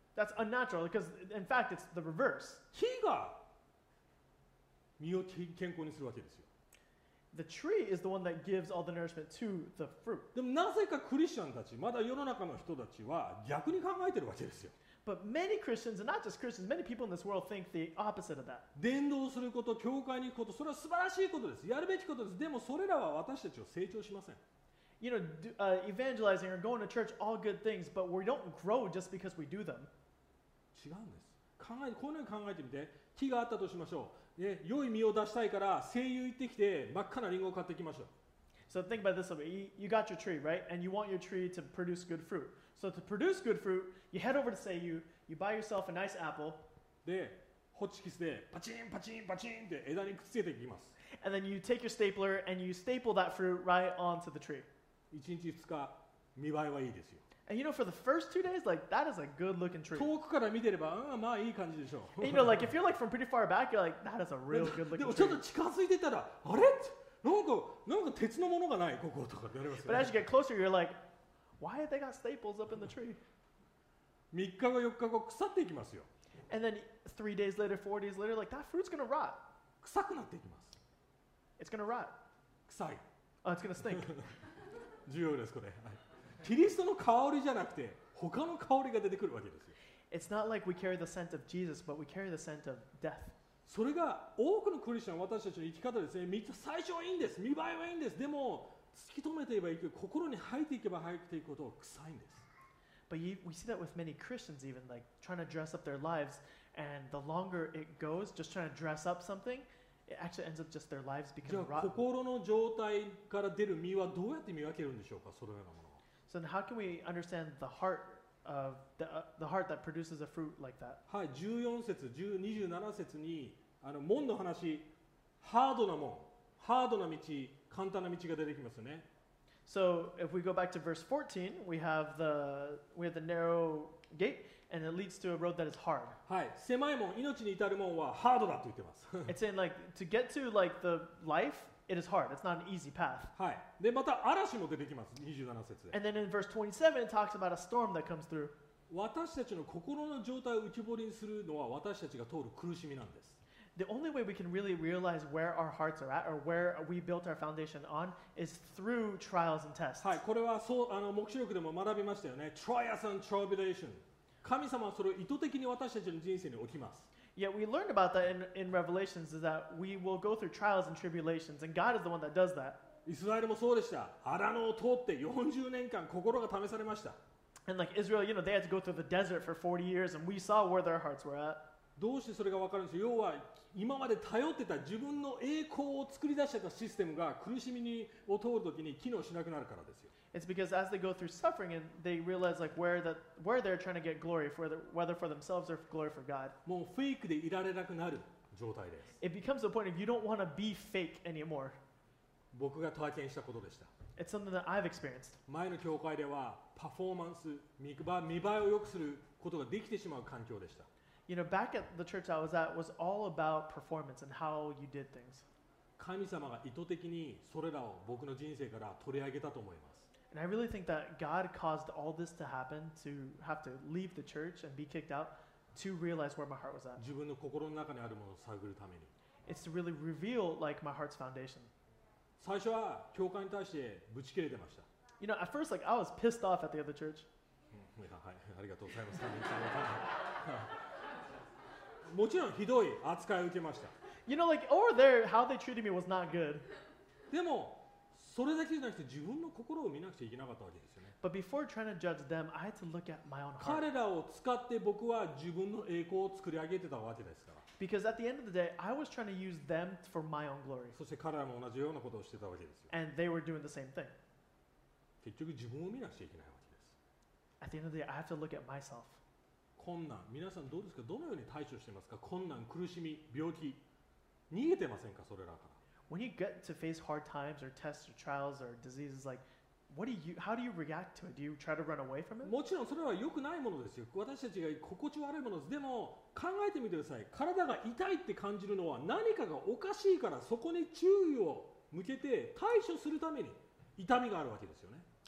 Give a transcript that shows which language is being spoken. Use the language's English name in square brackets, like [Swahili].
[English] That's unnatural, because in fact, it's the reverse. [Japanese] 木が実を健康にするわけですよ。 [English] The tree is the one that gives all the nourishment to the fruit. [Japanese] でもなぜかクリスチャンたち、まだ世の中の人たちは逆に考えてるわけですよ。 [English] But many Christians, and not just Christians, many people in this world think the opposite of that. [Japanese] 伝道すること、教会に行くこと、それは素晴らしいことです。やるべきことです。でもそれらは私たちを成長しません。 [English] You know, evangelizing or going to church, all good things, but we don't grow just because we do them. [Japanese] 違うんです。こういうのを考えてみて、木があったとしましょう。ね、良い実を出したいから、精油行ってきて、真っ赤なリンゴを買ってきましょう。 [English] So think about this way. You got your tree, right? And you want your tree to produce good fruit. So to produce good fruit, you head over to Seiyu, you buy yourself a nice apple. [Japanese] で、ホチキスでパチンパチンパチンって枝にくっつけていきます。 [English] And then you take your stapler and you staple that fruit right onto the tree. [Japanese] 1日2日、見栄えはいいですよ。 [English] And you know, for the first 2 days, like, that is a good-looking tree. [Japanese] 遠くから見てれば、うん、まあいい感じでしょう。 [English] And you know, like, if you're like from pretty far back, you're like, that is a real good-looking tree. [Japanese] でもちょっと近づいてたら、あれ?なんか鉄のものがないこことかってなりますよね。 [English] But as you get closer, you're like, why have they got staples up in the tree? [Japanese] 3日後、4日後、腐っていきますよ。 [English] And then 3 days later, 4 days later, like, that fruit's gonna rot. [Japanese] 臭くなっていきます。 [English] It's gonna rot. [Japanese] 臭い。 [English] Oh, it's gonna stink. [Japanese] 重要です、これ。キリストの香りじゃなくて、他の香りが出てくるわけですよ。 [English] It's not like we carry the scent of Jesus, but we carry the scent of death. [Japanese] それが多くのクリスチャン、私たちの生き方ですね。最初はいいんです。見栄えはいいんです。でも、突き止めていけばいく、心に入っていけば入っていくことは臭いんです。 [English] But we see that with many Christians even, like trying to dress up their lives, and the longer it goes, just trying to dress up something, it actually ends up just their lives becoming rotten. [Japanese] じゃあ、心の状態から出る身はどうやって見分けるんでしょうか、それらのものを。 [English] So how can we understand the heart? Of the heart that produces a fruit like that. [Japanese] はい、14節、27節にあの門の話、ハードな門、ハードな道、簡単な道が出てきますよね。 [English] So if we go back to verse 14, we have the narrow gate, and it leads to a road that is hard. [Japanese] はい、狭い門、命に至る門はハードだと言ってます。 [English] It's saying like to get to like the life. It is hard. It's not an easy path. [Japanese] はい。で、また嵐も出てきます。 27節で。 [English] And then in verse 27, it talks about a storm that comes through. [Japanese] 私たちの心の状態を浮き彫りにするのは私たちが通る苦しみなんです。 [English] The only way we can really realize where our hearts are at or where we built our foundation on is through trials and tests. [Japanese] はい。これはそう、あの、黙示録でも学びましたよね。 [English] Trials and tribulation. [Japanese] 神様はそれを意図的に私たちの人生に置きます。 [English] Yet we learned about that in Revelations is that we will go through trials and tribulations and God is the one that does that. [Japanese] イスラエルもそうでした。アラノを通って40年間心が試されました。 [English] And like Israel, you know, they had to go through the desert for 40 years and we saw where their hearts were at. [Japanese] どうしてそれが分かるんですか?要は今まで頼ってた自分の栄光を作り出してたシステムが苦しみを通るときに機能しなくなるからですよ。 [English] It's because as they go through suffering and they realize like where they're trying to get glory, whether for themselves or glory for God. [Japanese] もうフェイクでいられなくなる状態です。 [English] It becomes a point of you don't want to be fake anymore. [Japanese] 僕が体験したことでした。 [English] It's something that I've experienced. [Japanese] 前の教会ではパフォーマンス、見栄えを良くすることができてしまう環境でした。 [English] You know, back at the church I was at was all about performance and how you did things. [Japanese] 神様が意図的にそれらを僕の人生から取り上げたと思います。 [English] And I really think that God caused all this to happen, to have to leave the church and be kicked out, to realize where my heart was at. [Japanese] 自分の心の中にあるものを探るために。 [English] It's to really reveal like my heart's foundation. [Japanese] 最初は教会に対してぶち切れてました。 [English] You know, at first, like, I was pissed off at the other church. [Japanese] ありがとうございます。もちろんひどい扱いを受けました。 [English] You know, like, over there, how they treated me was not good. [Japanese] でも、それだけじゃなくて自分の心を見なくちゃいけなかったわけですよね。 [English] But before trying to judge them, I had to look at my own heart. [Japanese] 彼らを使って僕は自分の栄光を作り上げてたわけですから。 [English] Because at the end of the day, I was trying to use them for my own glory. [Japanese] そして彼らも同じようなことをしてたわけですよ。 [English] And they were doing the same thing. [Japanese] 結局自分を見なくちゃいけないわけです。 [English] At the end of the day, I have to look at myself. [Japanese] 困難、皆さんどうですか？どのように対処してますか？困難、苦しみ、病気、逃げてませんか？それらから。 [English] When you get to face hard times or tests or trials or diseases, like, what do you, how do you react to it? Do you try to run away from it? [Japanese] もちろんそれは良くないものですよ。私たちが心地悪いものです。でも考えてみてください。体が痛いって感じるのは何かがおかしいからそこに注意を向けて対処するために痛みがあるわけですよね。